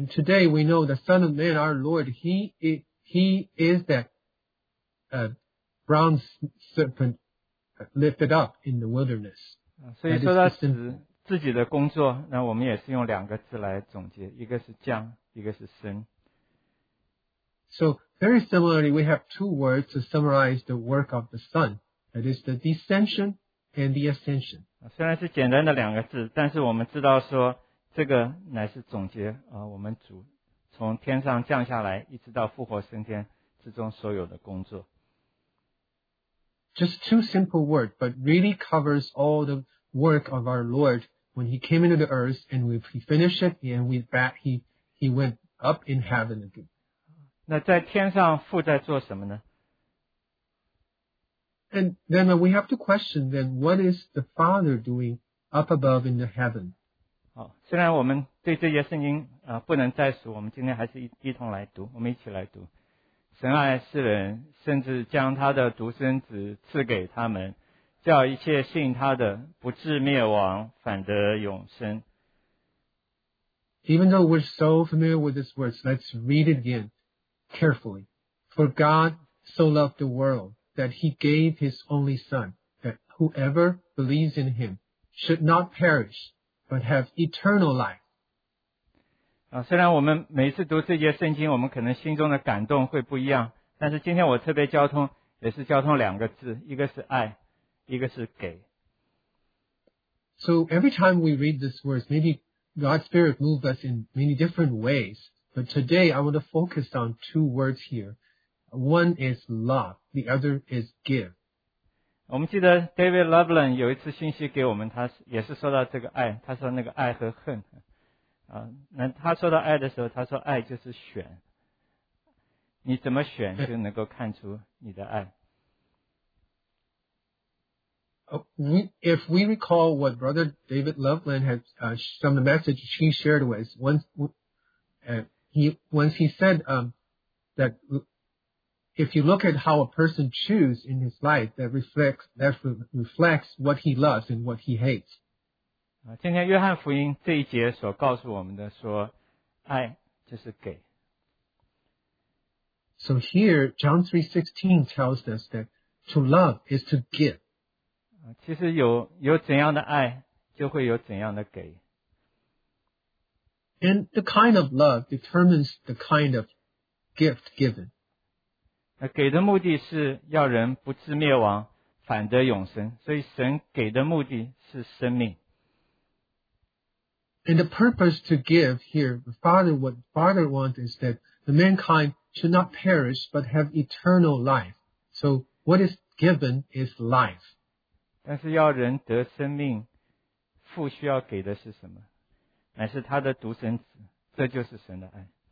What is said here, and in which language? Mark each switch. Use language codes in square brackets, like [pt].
[en] And today we know the Son of Man, our Lord, he is that bronze serpent lifted up in the wilderness. [zh] 所以说到自己的工作，那我们也是用两个字来总结，一个是降，一个是升。 [en] So very similarly, we have two words to summarize the work of the Son. That is the descension and the ascension. [zh] 虽然是简单的两个字，但是我们知道说这个乃是总结我们主从天上降下来一直到复活升天之中所有的工作。 [en] Just two simple words, but really covers all the work of our Lord when he came into the earth and when he finished it and he went up in heaven again. [zh] 那在天上父在做什么呢？ [en] And then we have to question then, what is the Father doing up above in the heaven? [zh] 好，虽然我们对这些圣经不能再数，我们今天还是一同来读，我们一起来读。神爱世人，甚至将他的独生子赐给他们，叫一切信他的不至灭亡，反得永生。 [en] Even though we're so familiar with these words, let's read it again carefully. For God so loved the world that he gave his only Son, that whoever believes in him should not perish, but have eternal life. [zh] 虽然我们每次读这节圣经，我们可能心中的感动会不一样，但是今天我特别交通，也是交通两个字，一个是爱，一个是给。 [en] So every time we read these words, maybe God's Spirit moved us in many different ways. But today I want to focus on two words here. One is love, the other is give. [zh] 我们记得 David Loveland 有一次信息给我们，他也是说到这个爱，他说那个爱和恨。那他说到爱的时候，他说爱就是选，你怎么选就能够看出你的爱。 [en] If we recall what Brother David Loveland had, some of the message he shared with, once he said that if you look at how a person chooses in his life, that reflects what he loves and what he hates. [zh] 今天约翰福音这一节所告诉我们的说，爱就是给。 [en] So here, John 3:16 tells us that to love is to give. [zh] 其实有怎样的爱就会有怎样的给。 [en] And the kind of love determines the kind of gift given. [zh] 给的目的是要人不至灭亡反得永生，所以神给的目的是生命。 [en] And the purpose to give here, what Father wants is that the mankind should not perish but have eternal life. So what is given is life. [zh] 但是要人得生命，父需要给的是什么？乃是他的独生子，这就是神的爱。